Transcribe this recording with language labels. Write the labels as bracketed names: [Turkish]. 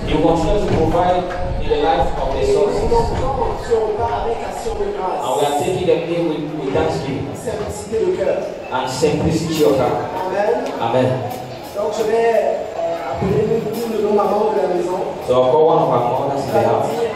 [English] You continue to provide in the life of the source. [French] Et nous continuons sur le pas avec action de grâce. [English] And we are taking the day with thanksgiving. [French] Simplicité de cœur. [English] And simplicity of heart. Amen. Amen. [French] Donc je vais appeler le tout de nos mamans de la maison. [English] So I'll call one of my mothers in the house.